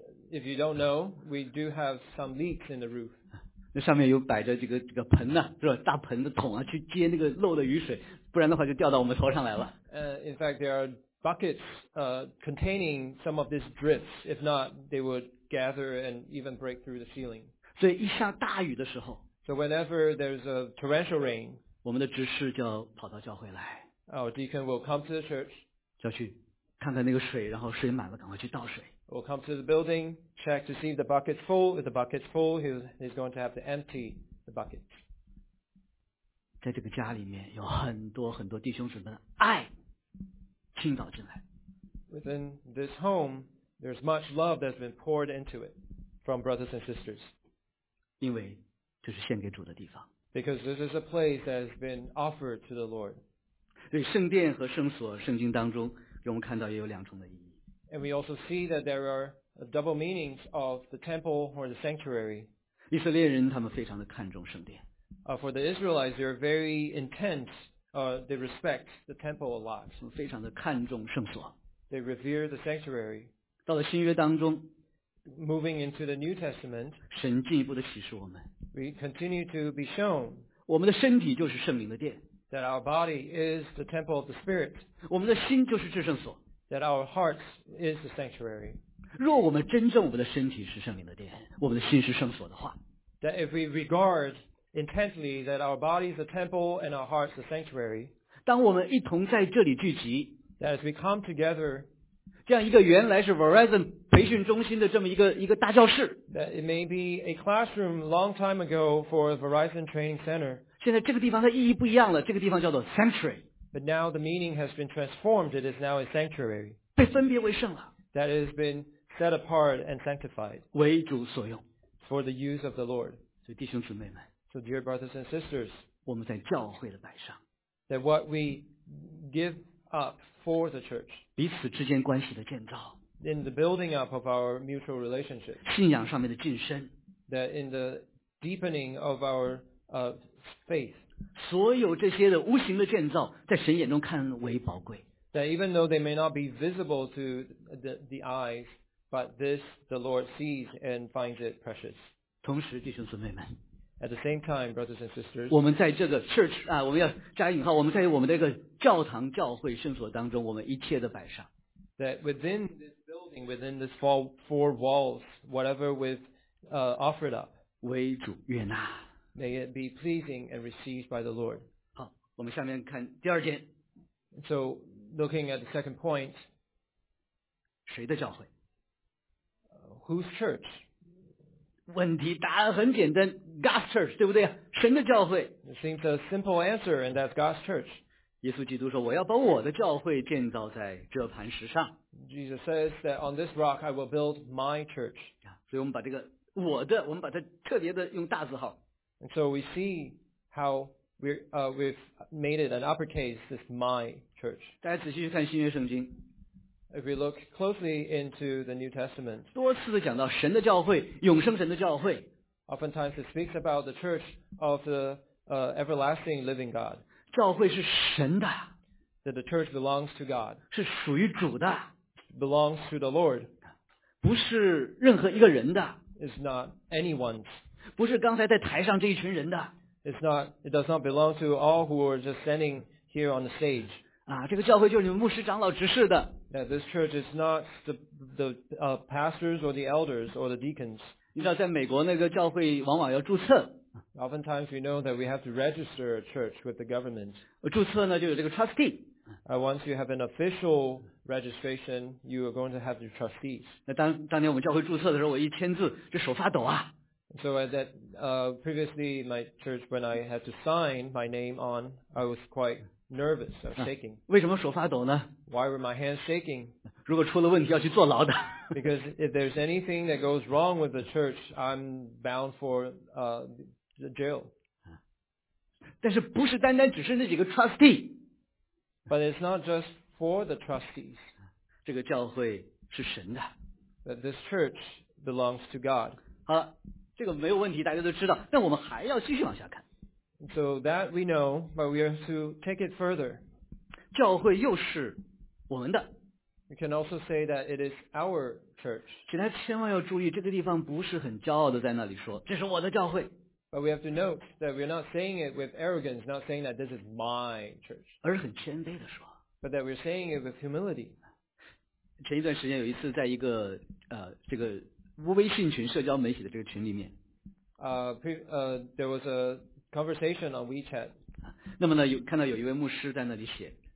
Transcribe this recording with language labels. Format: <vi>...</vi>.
<en>If you don't know, we do have some leaks in the roof.</en> <zh>那上面有摆着这个盆呢、啊，是吧？大盆的桶啊，去接那个漏的雨水，不然的话就掉到我们头上来了。</zh> <en>In fact, there are buckets containing some of these drips. If not, they would gather and even break through the ceiling.</en> <zh>所以一下大雨的时候。</zh> <en>So whenever there's a torrential rain,</en> <zh>我们的执事就要跑到教会来。</zh> <en>Our deacon will come to the church.</en> <zh>就要去看看那个水，然后水满了，赶快去倒水。</zh> <en>We'll come to the building, check to see if the bucket's full. If the bucket's full, he's going to have to empty the bucket.</en> <zh>在这个家里面有很多很多弟兄姊妹的爱倾倒进来。</zh> <en>Within this home, there's much love that's been poured into it from brothers and sisters.</en> <zh>因为这是献给主的地方。</zh> <en>Because this is a place that has been offered to the Lord.</en> <zh>对圣殿和圣所，圣经当中给我们看到也有两重的意义。</zh> <en>And we also see that there are double meanings of the temple or the sanctuary.</en> <zh>以色列人他们非常的看重圣殿。</zh> <en>For the Israelites, they are very intense. They respect the temple a lot.</en> <zh>非常的看重圣所。</zh> <en>They revere the sanctuary.</en> <zh>到了新约当中。</zh> <en>Moving into the New Testament.</en> <zh>神进一步的启示我们。</zh> <en>We continue to be shown.</en> <zh>我们的身体就是圣灵的殿。</zh> <en>That our body is the temple of the Spirit.</en> <zh>我们的心就是至圣所。</zh> <en>That our hearts is the sanctuary.</en> <zh>若我们真正我们的身体是圣灵的殿，我们的心是圣所的话。</zh> <en>That if we regard intently that our body is the temple and our heart is the sanctuary.</en> <zh>当我们一同在这里聚集。</zh> <en>That as we come together.</en> <zh>这样一个原来是 Verizon 培训中心的这么一个大教室。</zh> <en>That it may be a classroom long time ago for a Verizon training center.</en> <zh>现在这个地方的意义不一样了，这个地方叫做 sanctuary。</zh> <en>But now the meaning has been transformed. It is now a sanctuary.</en> <zh>被分别为圣了。</zh> <en>That has been set apart and sanctified.</en> <zh>为主所用。</zh> <en>For the use of the Lord.</en> <zh>所以弟兄姊妹们。</zh> <en>So dear brothers and sisters.</en> <zh>我们在教会的摆上。</zh> <en>That what we give up for the church.</en> <zh>彼此之间关系的建造。</zh> <en>In the building up of our mutual relationship.</en> <zh>信仰上面的晋升。</zh> <en>That in the deepening of our faith.</en> <zh>所有这些的无形的建造在神眼中看为宝贵。</zh> <en>That even though they may not be visible to the eyes, but this the Lord sees and finds it precious.</en> <zh>同时弟兄姊妹们。</zh> <en>At the same time, brothers and sisters.</en> <zh>我们在这个 church, 啊我们要加引号我们在我们的一个教堂教会圣所当中我们一切的摆上。</zh> <en>That within this building, within this four walls, whatever we've offered up.</en> <zh>为主悦纳。</zh> <en>May it be pleasing and received by the Lord.</en> <zh>好，我们下面看第二件。</zh> <en>So, looking at the second point.</en> <zh>谁的教会？</zh> <en>Whose church?</en> <zh>问题答案很简单，</zh> <en>God's church,</en> <zh>对不对？神的教会。</zh> <en>It seems a simple answer, and that's God's church.</en> <zh>耶稣基督说，我要把我的教会建造在这磐石上。</zh> <en>Jesus says that on this rock I will build my church.</en> <zh>所以我们把这个我的，我们把它特别的用大字号。</zh> <en>And so we see how we've made it an uppercase, this my church.</en> <zh>大家仔细去看新约圣经。</zh> <en>If we look closely into the New Testament,</en> <zh>多次的讲到神的教会，永生神的教会。</zh> <en>Oftentimes it speaks about the church of the everlasting living God.</en> <zh>教会是神的。</zh> <en>That the church belongs to God.</en> <zh>是属于主的。</zh> <en>Belongs to the Lord.</en> <zh>不是任何一个人的。</zh> <en>Is not anyone's.</en> <zh>不是刚才在台上这一群人的。</zh> <en>It does not belong to all who are just standing here on the stage.</en> <zh>啊，这个教会就是你们牧师长老执事的。</zh> <en>Yeah, this church is not the pastors or the elders or the deacons.</en> <zh>你知道在美国那个教会往往要注册。</zh> <en>Oftentimes we know that we have to register a church with the government.</en> <zh>注册呢就有这个 trustee.</zh> <en>Once you have an official registration, you are going to have the trustees.</en> <zh>那当年我们教会注册的时候，我一签字，这手发抖啊。</zh> <en>So that previously my church, when I had to sign my name on, I was quite nervous, I was shaking.</en> <zh>为什么手发抖呢？</zh> <en>Why were my hands shaking?</en> <zh>如果出了问题要去坐牢的。</zh> <en>Because if there's anything that goes wrong with the church, I'm bound for the jail.</en> <zh>但是不是单单只是那几个 trustee.</zh> <en>But it's not just for the trustees.</en> <zh>这个教会是神的。</zh> <en>That this church belongs to God.</en> <zh>好了。这个没有问题，大家都知道。但我们还要继续往下看。</zh> <en>So that we know, but we are to take it further.</en> <zh>教会又是我们的。</zh> <en>You can also say that it is our church.</en> <zh>其他千万要注意，这个地方不是很骄傲的在那里说，这是我的教会。</zh> <en>But we have to note that we're not saying it with arrogance, not saying that this is my church.</en> <zh>而是很谦卑的说。</zh> <en>But that we're saying it with humility.</en> <zh>前一段时间有一次在一个这个微信群社交媒体的这个群里面。</zh> <en>There was a conversation on WeChat.</en> <zh>那么呢，有看到有一位牧师在那里写。</zh>